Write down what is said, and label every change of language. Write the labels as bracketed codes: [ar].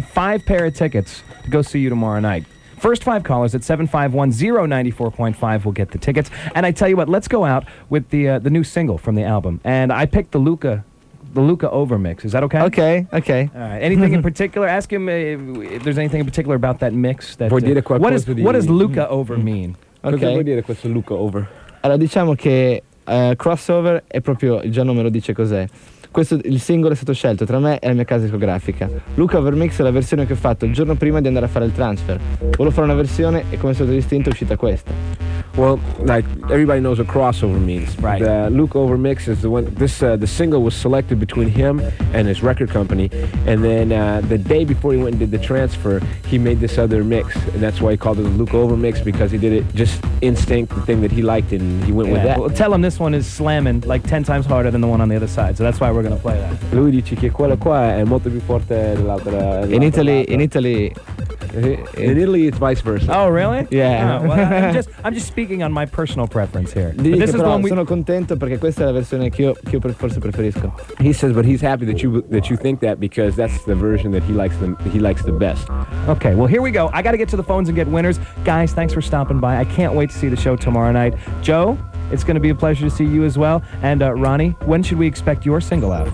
[en] 5 pair of tickets to go see you tomorrow night. First 5 callers at 751-094.5 will get the tickets. And I tell you what, let's go out with the new single from the album. And I picked the Luca overmix. Is that okay? Okay, okay. All right. Anything in particular? Ask him if there's anything in particular about that mix. That, what does Luca over mean? Okay. [it] Vuol dire questo Luca over? Allora, diciamo che crossover è proprio, già il nome lo dice cos'è. Questo, il singolo è stato scelto tra me e la mia casa discografica. Luca Overmix è la versione che ho fatto il giorno prima di andare a fare il transfer. Volevo fare una versione e come sotto distinto è uscita questa. [en] Well, like everybody knows what crossover means. Right. The Luca Overmix is the one. The single was selected between him and his record company, and then the day before he went and did the transfer, he made this other mix, and that's why he called it the Luca Overmix, because he did it just instinct, the thing that he liked, and he went with that. Well, tell him this one is slamming like 10 times harder than the one on the other side, so that's why we're gonna play that. [it] Lui dice che quello qua è molto più forte dell'altra. [en] In Italy, it's vice versa. Oh, really? Yeah. I'm just speaking on my personal preference here. [it] Sono contento perché questa è la versione che io forse preferisco. [en] He says, but he's happy that you think that, because that's the version that he likes the best. Okay. Well, here we go. I got to get to the phones and get winners, guys. Thanks for stopping by. I can't wait to see the show tomorrow night, Joe. It's going to be a pleasure to see you as well. And Ronnie, when should we expect your single out?